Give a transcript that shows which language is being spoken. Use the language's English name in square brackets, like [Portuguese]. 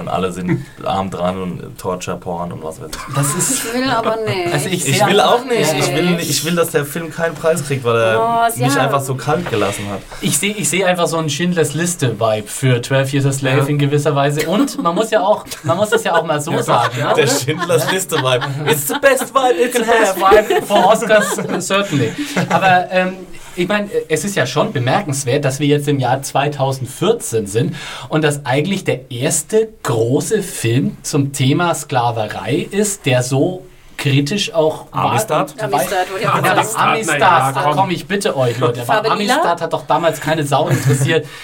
[German] Und alle sind arm dran und Torture, Porn und was weiß ich. Das ist, ich will aber nicht. Also ich will auch nicht. Ich will, dass der Film keinen Preis kriegt, weil er mich einfach so kalt gelassen hat. Ich seh einfach so einen Schindlers Liste-Vibe für 12 Years a Slave in gewisser Weise. Und man muss das ja auch mal so sagen. Ja? Der Schindlers Liste-Vibe. [English] It's the best vibe you can have. It's the best vibe for Oscars, certainly. [German] Aber ich meine, es ist ja schon bemerkenswert, dass wir jetzt im Jahr 2014 sind und dass eigentlich der erste große Film zum Thema Sklaverei ist, der so kritisch auch Amistad? Amistad, komm ich bitte euch, Leute. Amistad hat doch damals keine Sau interessiert.